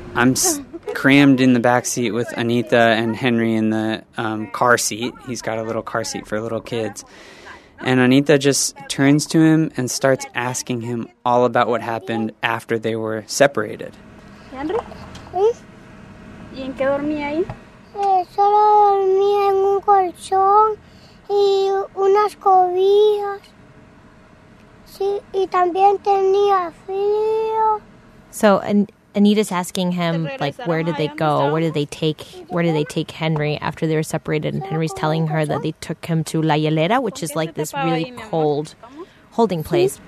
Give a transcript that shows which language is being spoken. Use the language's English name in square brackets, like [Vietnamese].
[English] I'm crammed in the back seat with Anita and Henry in the car seat. He's got a little car seat for little kids. And Anita just turns to him and starts asking him all about what happened after they were separated. [Spanish] Henry? ¿Y en qué dormí ahí? Solo dormí en un colchón y unas cobijas. Sí, y también tenía frío. [English] So Anita's asking him, like, where did they go? Where did they take Henry after they were separated? And Henry's telling her that they took him to La Hielera, which is like this really cold holding place.